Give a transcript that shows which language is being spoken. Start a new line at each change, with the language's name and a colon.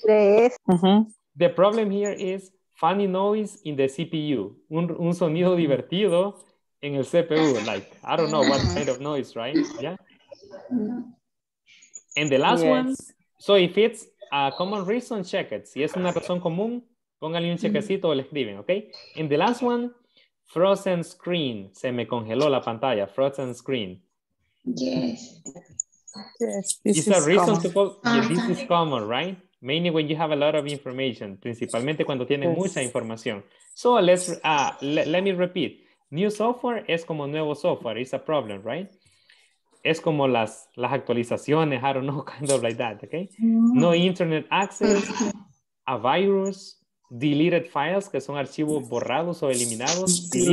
English: Yes. The problem here is funny noise in the CPU.
Spanish: Un sonido divertido en el CPU.
English: Like, I don't know what kind of noise, right? Yeah. And the last one. So if it's a common reason, check it.
Spanish: Si es una razón común, póngale un chequecito o le escriben, okay?
English: And the last one, frozen screen.
Spanish: Se me congeló la pantalla.
English: Frozen screen. Yes. This is a reason to call. This is common, right? Mainly when you have a lot of information.
Spanish: Principalmente cuando tienen mucha información.
English: So let me repeat. New software
Spanish: es como nuevo software.
English: It's a problem, right?
Spanish: Es como las actualizaciones.
English: I don't know, kind of like that, okay? No internet access. A virus. Deleted files,
Spanish: que son archivos borrados o eliminados.